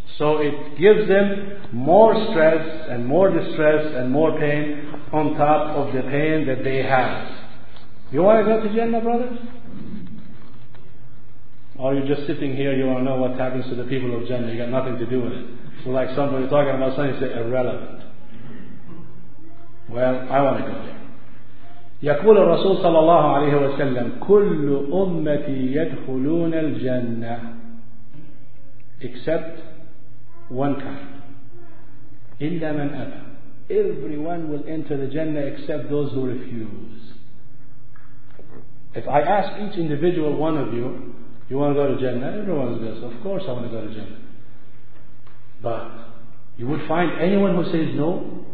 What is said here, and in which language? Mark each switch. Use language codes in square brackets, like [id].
[en] So it gives them more stress and more distress and more pain on top of the pain that they have. You want to go to Jannah, brothers? Or you're just sitting here, you want to know what happens to the people of Jannah, you got nothing to do with it. So like somebody talking about something, you say, irrelevant. Well, I want to go there. [ar] يقول الرسول صلى الله عليه وسلم كل أمتي يدخلون الجنة [en] except one kind [ar] إلا من أبى. [en] Everyone will enter the Jannah except those who refuse. If I ask each individual one of you, you want to go to Jannah? Everyone says, of course I want to go to Jannah. But you would find anyone who says no?